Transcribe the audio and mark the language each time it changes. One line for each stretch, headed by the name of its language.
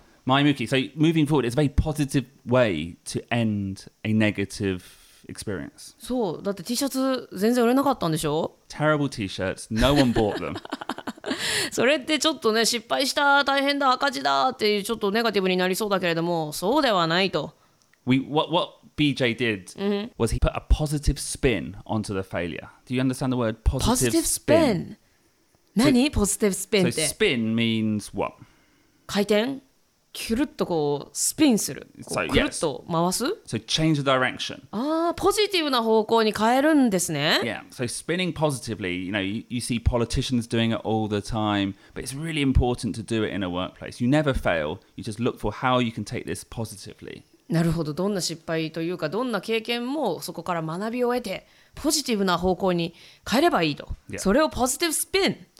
English: 前向き。So moving forward is a very positive way to end a negative experience.
Japanese: そう。だって T シャツ全然売れなかったんでしょ?
English: Terrible T-shirts. No one bought them.
Japanese: それってちょっとね、失敗した、大変だ、赤字だっていうちょっとネガティブになりそうだけれども、そうではないと。
English: What BJ did was he put a positive spin onto the failure. Do you understand the word positive spin? Spin?
Japanese: 何?Positive spin って?
English: So spin means what?
Japanese: 回転? キュルッとこうスピンする。こうくるっと回す?
English: So, yes. So change the direction.
Japanese: ああ、ポジティブな方向に変えるんですね。
English: Yeah, so spinning positively, you know, you see politicians doing it all the time, but it's really important to do it in a workplace. You never fail, you just look for how you can take this positively.
Japanese: なるほど。どんな失敗というか、どんな経験もそこから学びを得て、ポジティブな方向に変えればいいと。
English: Yeah.
Japanese: それをポジティブスピン。